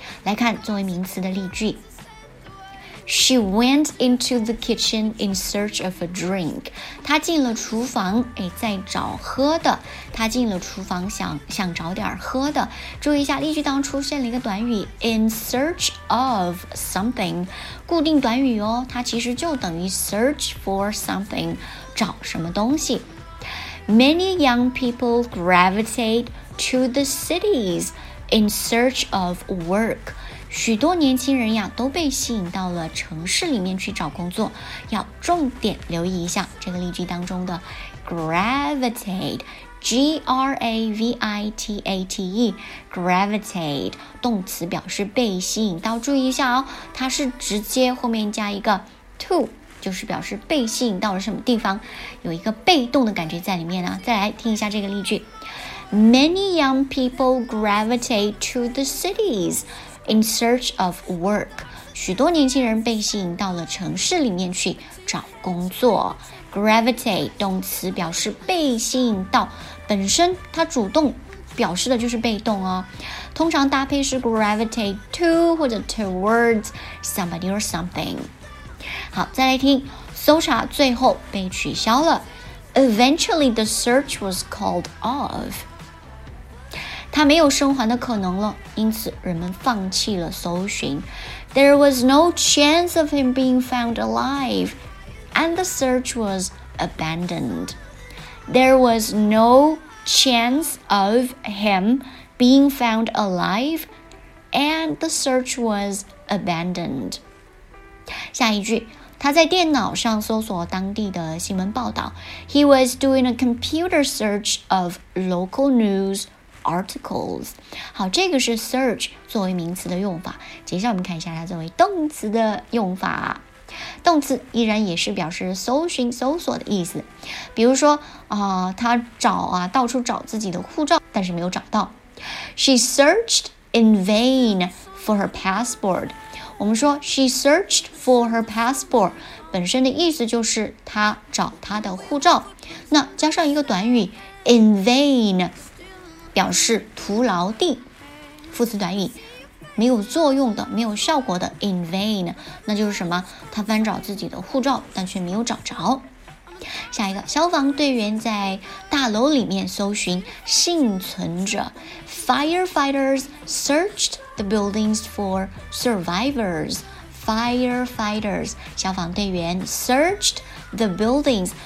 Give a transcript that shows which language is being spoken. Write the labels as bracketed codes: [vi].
[zh] 来看作为名词的例句， [en] She went into the kitchen in search of a drink， [zh] 她进了厨房在找喝的，她进了厨房想找点喝的。注意一下，例句当中出现了一个短语 [en] in search of something， [zh] 固定短语哦，它其实就等于 [en] search for something， [zh] 找什么东西。 [en] Many young people gravitate to the cities in search of work， [zh] 许多年轻人呀都被吸引到了城市里面去找工作。要重点留意一下这个例句当中的 gravitate， G-R-A-V-I-T-A-T-E， gravitate 动词表示被吸引到，注意一下哦，它是直接后面加一个 to，就是表示被吸引到了什么地方，有一个被动的感觉在里面啊。再来听一下这个例句， [en] Many young people gravitate to the cities in search of work， [zh] 许多年轻人被吸引到了城市里面去找工作。 Gravitate 动词表示被吸引到，本身它主动表示的就是被动哦，通常搭配是 [en] gravitate to [zh] 或者 [en] towards somebody or something。 [zh] 好，再来听，搜查最后被取消了。 [en] Eventually the search was called off， [zh] 它没有生还的可能了，因此人们放弃了搜寻。 [en] There was no chance of him being found alive and the search was abandoned. There was no chance of him being found alive and the search was abandoned. [zh] 下一句，他在电脑上搜索当地的新闻报道。 [en] He was doing a computer search of local news articles. [zh] 好，这个是 search 作为名词的用法。接下来我们看一下它作为动词的用法。动词依然也是表示搜寻、搜索的意思。比如说，他找啊，到处找自己的护照，但是没有找到。 [en] She searched in vain for her passport. [zh] 我们说 [en] she searched for her passport， [zh] 本身的意思就是她找她的护照。那加上一个短语 [en] in vain， [zh] 表示徒劳地，副词短语，没有作用的、没有效果的 in vain， 那就是什么？她翻找自己的护照，但却没有找着。下一个，消防队员在大楼里面搜寻幸存者。 [en] Firefighters searched the buildings for survivors. Firefighters, [zh] 消防队员 [en] searched the buildings.